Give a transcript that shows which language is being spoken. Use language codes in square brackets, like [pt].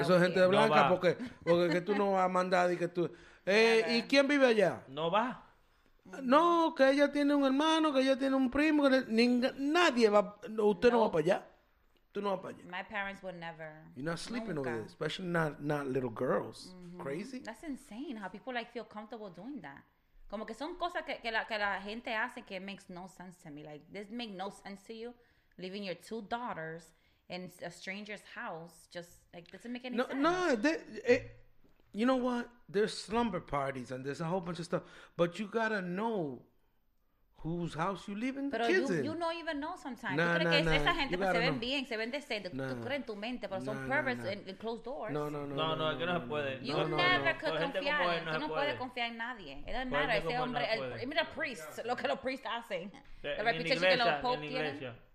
[es] Eso es gente blanca porque que tú no vas a mandar y que tú. ¿Y quién vive allá? No va. No, que ella tiene un hermano, que ella tiene un primo, que nadie va. Usted no va para allá. [en] My parents would never. You're not sleeping over there, especially not little girls. Mm-hmm. Crazy. That's insane how people like feel comfortable doing that. [es] Como que son cosas que la gente hace que [en] makes no sense to me. Like, this make no sense to you, leaving your two daughters in a stranger's house. Just like, doesn't make any sense. No, you know what? There's slumber parties and there's a whole bunch of stuff. But you gotta know whose house you leaving the kids in. You don't even know sometimes. Nah. [es] Esa gente pues se ven bien, se ven decente. Nah. Tú crees en tu mente, pero son [en] perverts in closed doors. [es] No, que no se puede. [en] You never could [es] confiar. Tú no puedes confiar en nadie. Es el mar, ese hombre. Mira, priests, lo que los priests hacen. La reputación que los popes tienen.